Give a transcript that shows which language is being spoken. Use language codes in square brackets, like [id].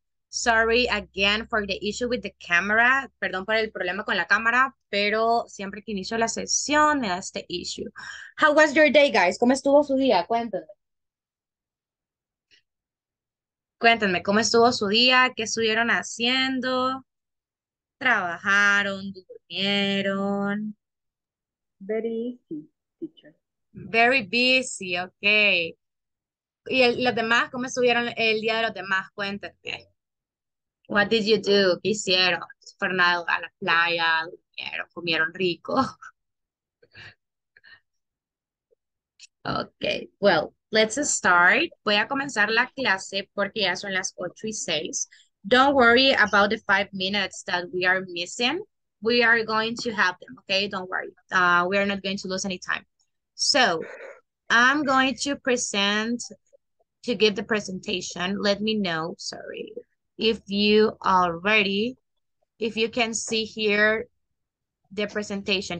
[en] Sorry again for the issue with the camera. [es] Perdón por el problema con la cámara, pero siempre que inicio la sesión me da este issue. [en] How was your day, guys? [es] ¿Cómo estuvo su día? Cuéntenme. Cuéntenme, ¿cómo estuvo su día? ¿Qué estuvieron haciendo? ¿Trabajaron? ¿Durmieron? [en] Very easy, teacher. Very busy, ok. [es] ¿Y los demás? ¿Cómo estuvieron el día de los demás? Cuéntenme. [en] What did you do? [es] ¿Qué hicieron? ¿Fueron a la playa? ¿Durmieron? ¿Comieron rico? [en] Okay, well, let's start. [es] Voy a comenzar la clase porque ya son las 8 y 6. [en] Don't worry about the 5 minutes that we are missing. We are going to have them, okay? Don't worry. We are not going to lose any time. So, I'm going to present, to give the presentation. Let me know, sorry, if you can see here the presentation.